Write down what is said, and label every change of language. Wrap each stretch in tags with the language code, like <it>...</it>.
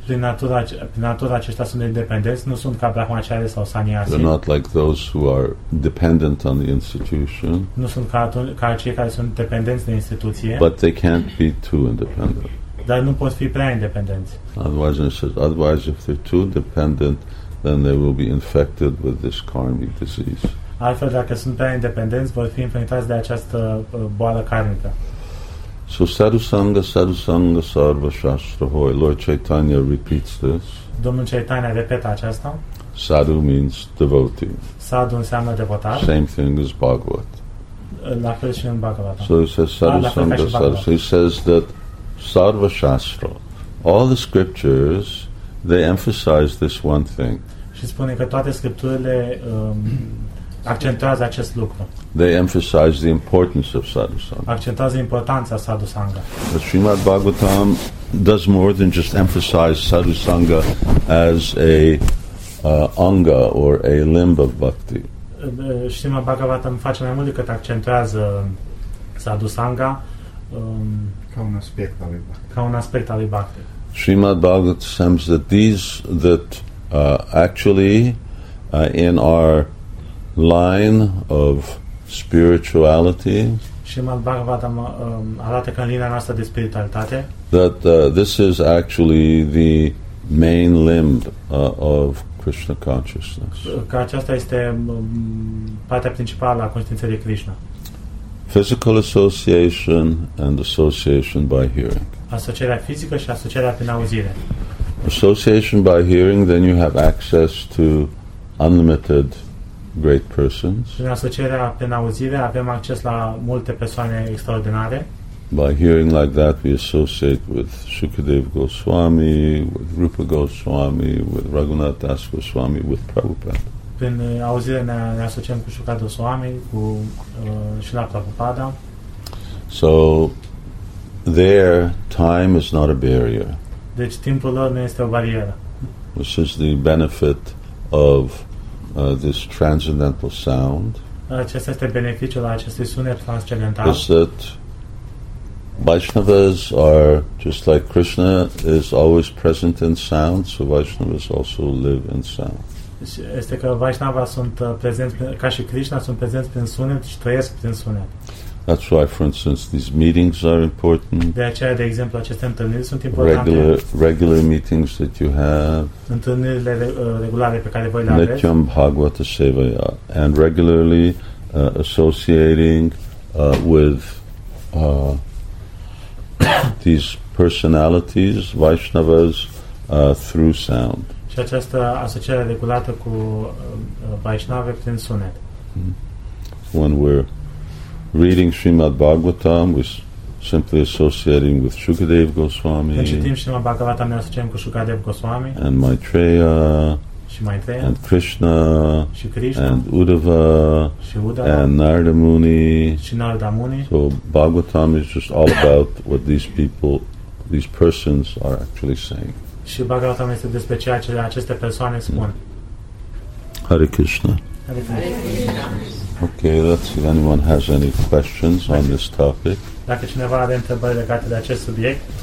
<ro>Prin natura aceștia sunt independenți, nu sunt ca brahmachari sau sannyasi.</ro> <en>They're not like those who are dependent on the institution.</en> <ro>Nu sunt ca cei care sunt dependenți de instituție.</ro> <en>But they can't be too independent.</en> <ro>Dar nu pot fi prea independenți.</ro> <en>Otherwise, if they're too dependent, then they will be infected with this karmic disease.</en> <ro>Altfel, dacă sunt prea independenți, vor fi infectați de această boală karmică.</ro> <bn>So, sadhu-sanga, sarva-shastra-hoi.</bn> <en>Lord Chaitanya repeats this.</en> <ro>Domnul Chaitanya repetă aceasta.</ro> <en>Sadhu means devotee.</en> <ro>Sadhu înseamnă devotat.</ro> <en>Same thing as Bhagavat.</en> <ro>La fel și în Bhagavat.</ro> <en>So, he says</en> <bn>sadhu-sanga, sarva-shastra-hoi.</bn> <en>So, he says that Sarva Shastra, all the scriptures, they emphasize this one thing.</en> <ro>Și spune că toate scripturile accentuează acest lucru.</ro> <en>They emphasize the importance of sadhusanga.</en> <ro>Accentuează importanța sadhusanga.</ro> <en>The Srimad Bhagavatam does more than just emphasize sadhusanga as a anga or a limb of bhakti.</en> <ro>Srimad Bhagavatam face mai mult decât accentuează sadhusanga ca un aspect al bhakti. Ca un aspect al bhakti.</ro> <en>Srimad Bhagavatam says that actually in our line of spirituality,</en> <ro>Srimad Bhagavatam arată că în linia noastră de spiritualitate,</ro> <en>that this is actually the main limb of Krishna consciousness.</en> <ro>Că aceasta este partea principală a conștiinței de Krishna.</ro> <en>Physical association and association by hearing.</en> <ro>Asocierea fizică și asocierea prin auzire.</ro> <en>Association by hearing, then you have access to unlimited great persons.</en> <ro>Prin asocierea prin auzire avem acces la multe persoane extraordinare.</ro> <en>By hearing like that, we associate with Shukadev Goswami, with Rupa Goswami, with Raghunath Das Goswami, with Prabhupada.</en> <ro>Prin auzire ne asociem cu Shukadev Goswami, cu Shila Prabhupada.</ro> <en>So there, time is not a barrier.</en> <ro>Deci timpul lor nu este o barieră.</ro> <en>This is the benefit of this transcendental sound.</en> <ro>Acesta este beneficiul acestui sunet transcendental.</ro> <en>Is that Vaishnavas are just like Krishna is always present in sound, so Vaishnavas also live in sound.</en> <ro>Este că Vaishnava sunt prezenți ca și Krishna sunt prezenți prin sunet și trăiesc prin sunet.</ro> <en>That's why, for instance, these meetings are important.</en> <ro>De aceea, de exemplu, aceste întâlniri sunt importante.</ro> <en>Regular meetings that you have.</en> <ro>Întâlnirile regulare pe care voi le aveți.</ro> <sa>Nityam Bhagavata Sevaya.</sa> <en>And regularly associating with these personalities, Vaishnavas, through sound.</en> <ro>Și această asociere regulată cu Vaishnava prin sunet.</ro> <en>When we're reading Srimad Bhagavatam, we're simply associating with Shukadev Goswami.</en> <ro>Când citim Srimad Bhagavatam, ne asociem cu Shukadev Goswami.</ro> <en>And Maitreya.</en> <ro>Și Maitreya.</ro> <en>And Krishna.</en> <ro>Și Krishna.</ro> <en>And Uddhava.</en> <ro>Și Uddhava.</ro> <en>And Narada Muni.</en> <ro>Și Narada Muni.</ro> <en>So Bhagavatam is just all about what these people, these persons are actually saying.</en> <ro>Și Bhagavatam este despre ceea ce aceste persoane spun.</ro> <sa>Hare Krishna. Hare Krishna.</sa> <en>Okay, let's see if anyone has any questions on this topic.</en> <ro>Dacă cineva are întrebări legate de acest subiect.</ro>